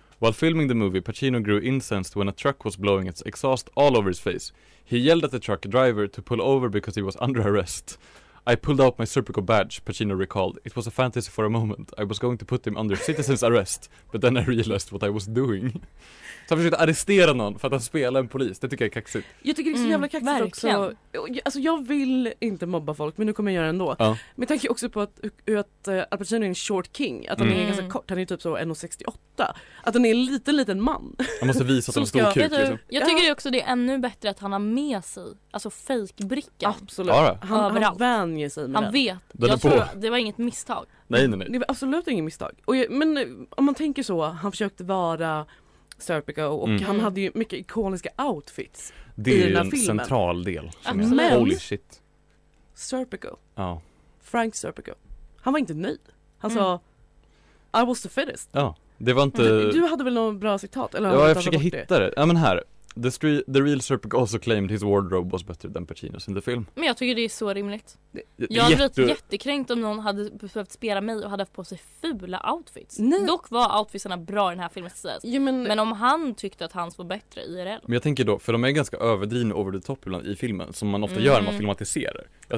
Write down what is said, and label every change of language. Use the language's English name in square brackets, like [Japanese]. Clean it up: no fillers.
[English] While filming the movie, Pacino grew incensed when a truck was blowing its exhaust all over his face. He yelled at the truck driver to pull over because he was under arrest. I pulled out my surgical badge, Pacino recalled. It was a fantasy for a moment. I was going to put him under citizen's arrest, but then I realized what I was doing. [Swedish] Så han försökte arrestera någon för att han spelade en polis. Det tycker jag är kaxigt. Jag tycker det är så jävla kaxigt också. Alltså jag vill inte mobba folk, men nu kommer jag göra ändå. Ja. Men jag tänker också på att Al Pacino är en short king. Att han är ganska kort. Han är typ så 1,68. Att han är en liten, liten man. Han måste visa att han är stor kuk. Liksom. Jag tycker också det är ännu bättre att han har med sig alltså fejkbrickan. Absolut. Ja, han vänjer sig med han vet. Jag tror det var inget misstag. Nej. Det var absolut inget misstag. Och men om man tänker så, han försökte vara Serpico och han hade ju mycket ikoniska outfits. Det är i den här en filmen. Central del. Men, [English] holy shit. [Swedish] Serpico. Ja. Frank Serpico. Han var inte nöjd. Han sa [English] I was the fittest. [Swedish] Ja, det var inte... Du hade väl någon bra citat? Eller ja, jag försöker hitta det. Ja, men här. [English] The real Serpico also claimed his wardrobe was better than Pacino's in the film. [Swedish] Men jag tycker det är så rimligt. Jag hade blivit jättekränkt om någon hade behövt spela mig och hade haft på sig fula outfits. Nej. Dock var outfitsarna bra i den här filmen. Men om han tyckte att hans var bättre IRL. Men jag tänker då, för de är ganska överdrivna over the top ibland i filmen, som man ofta gör när man filmatiserar.